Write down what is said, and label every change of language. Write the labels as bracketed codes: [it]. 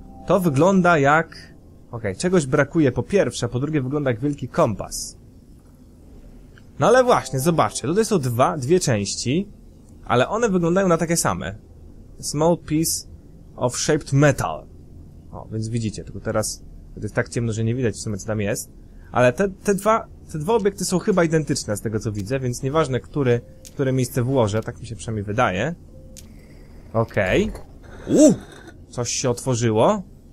[pl] To wygląda jak... Okej, czegoś brakuje po pierwsze, a po drugie wygląda jak wielki kompas. No ale właśnie, zobaczcie, tutaj są dwie części, ale one wyglądają na takie same. [en] Small piece of shaped metal. [pl] O, więc widzicie, tylko teraz to jest tak ciemno, że nie widać w sumie, co tam jest. Ale te dwa obiekty są chyba identyczne z tego, co widzę, więc nieważne, które miejsce włożę, tak mi się przynajmniej wydaje. Okej. Coś się otworzyło.